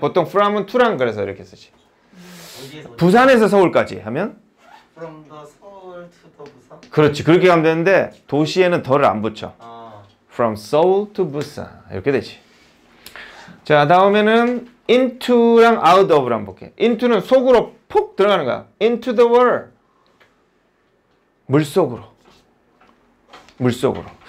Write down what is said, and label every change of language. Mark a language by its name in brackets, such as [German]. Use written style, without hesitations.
[Korean] 보통 from은 to랑 그래서 이렇게 쓰지. 부산에서 서울까지 하면 [English] from the 서울 to the 부산. [Korean] 그렇지. 그렇게 하면 되는데 도시에는 덜을 안 붙여. [English] From Seoul to Busan. [Korean] 이렇게 되지. 자, 다음에는 into랑 out of를 한번 볼게. into는 속으로 푹 들어가는 거야. [English] into the water. [Korean] 물속으로. 물속으로.